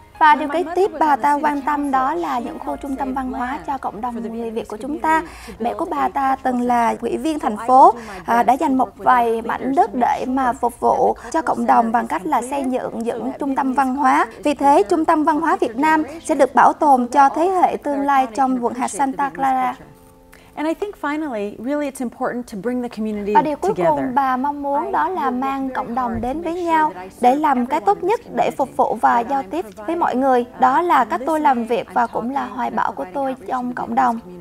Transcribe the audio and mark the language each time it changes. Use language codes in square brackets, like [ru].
[vi] Và điều kế tiếp bà ta quan tâm đó là những khu trung tâm văn hóa cho cộng đồng người Việt của chúng ta. Mẹ của bà ta từng là ủy viên thành phố, đã dành một vài mảnh đất để mà phục vụ cho cộng đồng bằng cách là xây dựng những trung tâm văn hóa. Vì thế, trung tâm văn hóa Việt Nam sẽ được bảo tồn cho thế hệ tương lai trong quận hạt Santa Clara. [en] And I think finally, really it's important to bring the community [vi] together. Và điều cuối cùng bà mong muốn đó là mang cộng đồng đến với nhau để làm cái tốt nhất để phục vụ và giao tiếp với mọi người. Đó là cách tôi làm việc và cũng là hoài bão của tôi trong cộng đồng.